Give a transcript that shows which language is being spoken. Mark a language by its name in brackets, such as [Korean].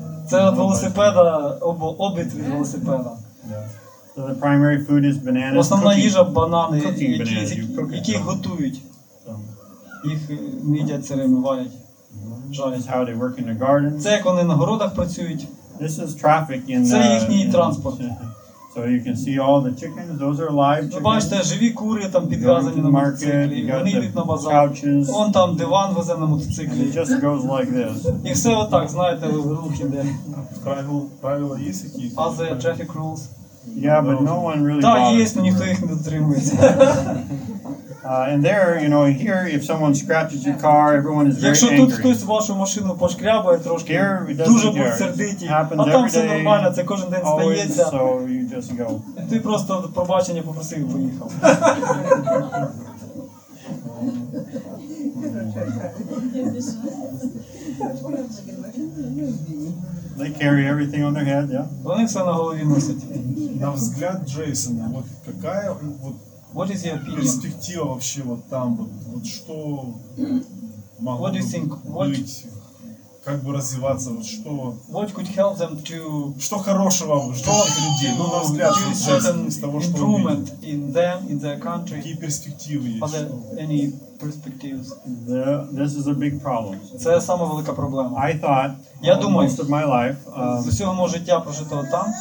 [Ukrainian] Це від велосипеда, обід від велосипеда. [English] So the primary food is bananas. [Ukrainian] Основна їжа банани, які готують. Їх не їдять сирими, варять. [English] That's how they work in the garden. [Ukrainian] Це як вони на городах працюють. [English] This is traffic in [Ukrainian] the. Це їхній транспорт. [English] So you can see all the chickens, those are live chickens. [Ukrainian] Бачите, живі кури там підв'язані на мотоциклі. Вони йдуть на базар. [English] Couches. [Ukrainian] Вон там диван везе на мотоциклі. [English] And it just goes like this. [Ukrainian] І все отак, знаєте, в рух іде. Правила є якісь? [English] As the traffic rules. Yeah, but no one really bothers. [Ukrainian] Так, є, але ніхто їх не дотримується. [English] And there, you know, here if someone scratches your car, everyone is very angry. [Ukrainian] Якщо тут хтось вашу машину пошкрябає трошки, дуже будуть сердиті. А там все нормально, це кожен день стається. [English] So you just go. [Ukrainian] Ти просто пробачення попросив і поїхав. [English] They carry everything on their head, yeah? [Ukrainian] Вони все на голові носять. [Russian] На взгляд Джейсона, от какая вот. [English] What is your opinion? [Russian] Перспектива вообще вот там вот. Вот что могло [English] what do you think, what, [Russian] быть? Как бы развиваться? Вот что? [English] What could help them to, [Russian] что хорошего ждет людей? Ну, на взгляд, вот, честно, из того, что вы видите. [English] In them, in their country, [Russian] какие перспективы есть? [English] Are there any perspectives? This is a big problem. [Ukrainian] Це сама велика проблема. [English] I thought, [Ukrainian] я думаю, [English] most of my life, [Ukrainian] з усього мого життя прожитого там,